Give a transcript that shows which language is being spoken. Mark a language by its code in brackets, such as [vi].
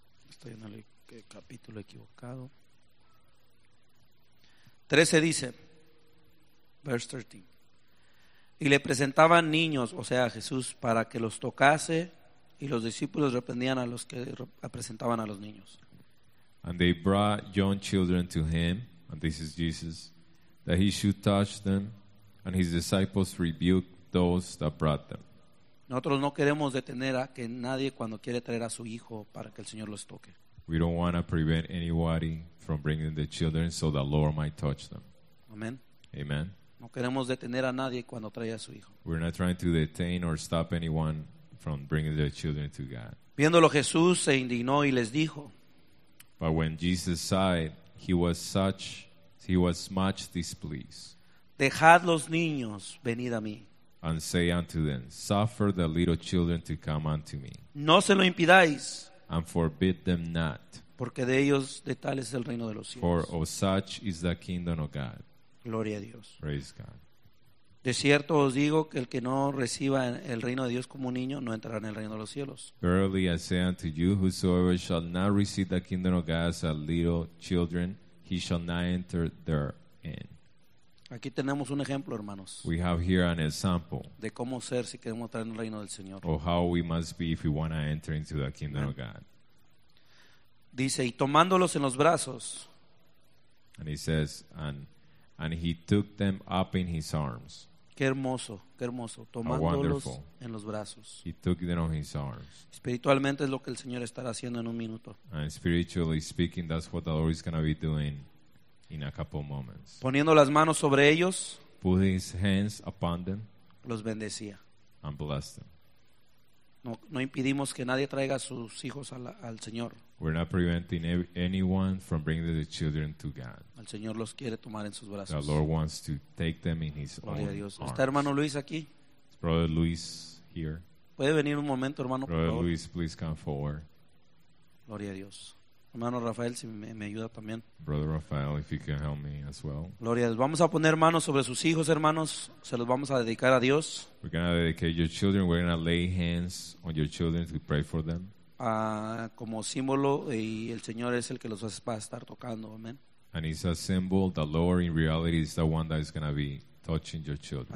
[es] Estoy en el capítulo equivocado. 13 dice, [en] verse 13. [es] Y le presentaban niños, o sea, a Jesús, para que los tocase, y los discípulos reprendían a los que presentaban a los niños. [en] And they brought young children to him, and this is Jesus, that he should touch them, and his disciples rebuked those that brought them. [es] Nosotros no queremos detener a que nadie cuando quiere traer a su hijo para que el Señor los toque. [en] We don't want to prevent anybody from bringing the children so the Lord might touch them. Amen. Amen. [es] No queremos detener a nadie cuando trae a su hijo. [en] We're not trying to detain or stop anyone from bringing their children to God. [es] Viéndolo Jesús se indignó y les dijo. [en] But when Jesus sighed, he was much displeased. [es] Dejad los niños venid a mí. [en] And say unto them, suffer the little children to come unto me. [es] No se lo impidáis. [en] And forbid them not. [es] Porque de ellos de tal es el reino de los cielos. [en] For of such is the kingdom of God. [es] Gloria a Dios. [en] Praise God. [es] De cierto os digo que el que no reciba el reino de Dios como un niño no entrará en el reino de los cielos. [en] Verily I say unto you, whosoever shall not receive the kingdom of God as a little children, he shall not enter therein. [es] Aquí tenemos un ejemplo, hermanos. [en] We have here an example. [es] De cómo ser si queremos entrar en el reino del Señor. [en] Or how we must be if we want to enter into the kingdom of God. [es] Dice, y tomándolos en los brazos. [en] And he says, and he took them up in his arms. [es] Qué hermoso, tomándolos en los brazos. [en] He took them on his arms. [es] Espiritualmente es lo que el Señor estará haciendo en un minuto. [en] And spiritually speaking, that's what the Lord is going to be doing. In a couple moments. [es] Poniendo las manos sobre ellos. [en] Put his hands upon them. [es] Los bendecía. [en] And blessed them. [es] No impedimos que nadie traiga sus hijos al Señor. [en] We're not preventing anyone from bringing the children to God. [es] El Señor los quiere tomar en sus brazos. [en] The Lord wants to take them in his own arms. [es] ¿Está hermano Luis aquí? [en] Is Brother Luis here? [es] ¿Puede venir un momento, hermano? [en] Brother Luis, please come forward. [es] Gloria a Dios. Hermano Rafael, si me ayuda también. [en] Brother Rafael, if you can help me as well. [es] Gloria, vamos a poner manos sobre sus hijos, hermanos. Se los vamos a dedicar a Dios. [en] We're going to dedicate your children. We're going to lay hands on your children to pray for them. [es] Como símbolo, y el Señor es el que los va a estar tocando. [en] Amen. And it's a symbol. The Lord, in reality, is the one that is going to be touching your children.